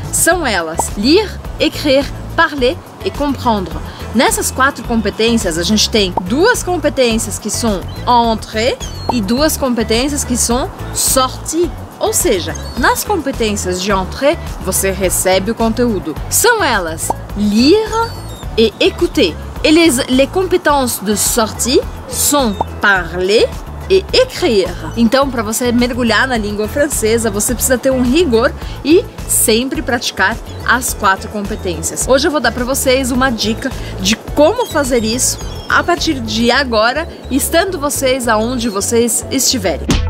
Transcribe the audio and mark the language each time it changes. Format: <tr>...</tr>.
<pt>São elas: lire, écrire, parler e comprendre. Nessas quatro competências, a gente tem duas competências que são entrer e duas competências que são sortir. Ou seja, nas competências de entrée, você recebe o conteúdo. São elas lire et écouter.</pt> <fr>Les compétences de sortie sont parler et écrire.</fr> <pt>Então, para você mergulhar na língua francesa, você precisa ter um rigor e sempre praticar as quatro competências. Hoje eu vou dar para vocês uma dica de como fazer isso a partir de agora, estando vocês aonde vocês estiverem.</pt>